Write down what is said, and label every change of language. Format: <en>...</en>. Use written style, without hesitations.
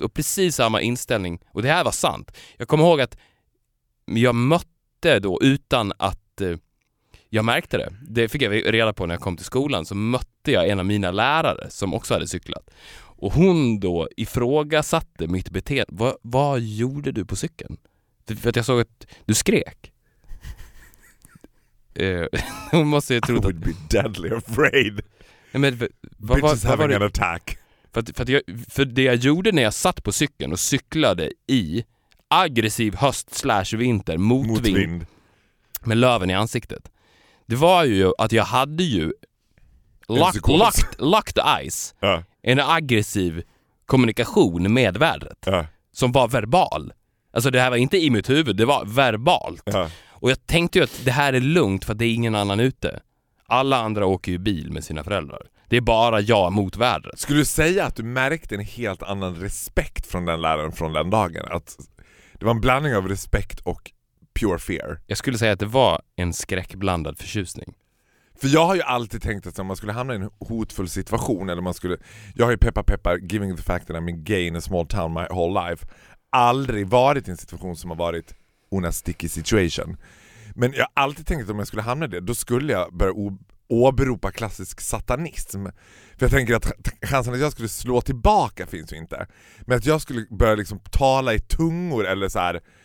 <sv>Och precis samma inställning. Och det här var sant. Jag kommer ihåg att jag mötte då utan att... jag märkte det. Det fick jag reda på när jag kom till skolan. Så mötte jag en av mina lärare som också hade cyklat. Och hon då ifrågasatte mitt beteende. Vad gjorde du på cykeln? För att jag såg att du skrek. Hon måste ju tro att...</sv> <en>I would be deadly afraid. Bitches having an attack.</en> <sv>För det jag gjorde när jag satt på cykeln och cyklade i aggressiv höst/vinter motvind. Med löven i ansiktet. Det var ju att jag hade ju</sv> <en>locked eyes.</en> <sv>En aggressiv kommunikation med vädret. Som var verbal. Alltså det här var inte i mitt huvud, det var verbalt. Och jag tänkte ju att det här är lugnt för att det är ingen annan ute. Alla andra åker ju bil med sina föräldrar. Det är bara jag mot vädret. Skulle du säga att du märkte en helt annan respekt från den läraren från den dagen? Att det var en blandning av respekt och</sv> <en>pure fear.</en> <sv>Jag skulle säga att det var en skräckblandad förtjusning. För jag har ju alltid tänkt att om man skulle hamna i en hotfull situation eller man skulle... Jag har ju peppar,</sv> <en>giving the fact that I'm gay in a small town my whole life.</en> <sv>Aldrig varit i en situation som har varit</sv> <en>una sticky situation.</en> <sv>Men jag har alltid tänkt att om jag skulle hamna i det, då skulle jag börja åberopa klassisk satanism. För jag tänker att chansen att jag skulle slå tillbaka finns ju inte. Men att jag skulle börja liksom tala i tungor eller så här...</sv>